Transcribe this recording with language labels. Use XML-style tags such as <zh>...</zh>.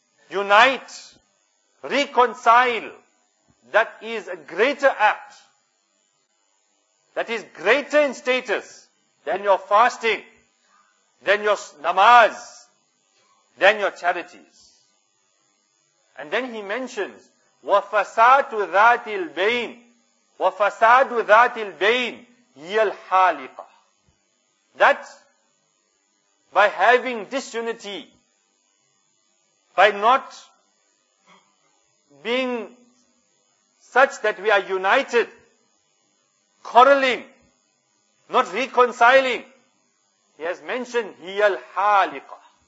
<en>Unite, reconcile. That is a greater act. That is greater in status than your fasting, than your namaz, than your charities. And then he mentions,</en> <ar>وَفَسَادُ ذَاتِ الْبَيْنِ وَفَسَادُ ذَاتِ الْبَيْنِ هِيَ الْحَالِقَةِ.</ar> <en>That, by having disunity, by not being such that we are united, quarreling, not reconciling, he has mentioned,</en> <ar>هِيَ الْحَالِقَةِ.</ar>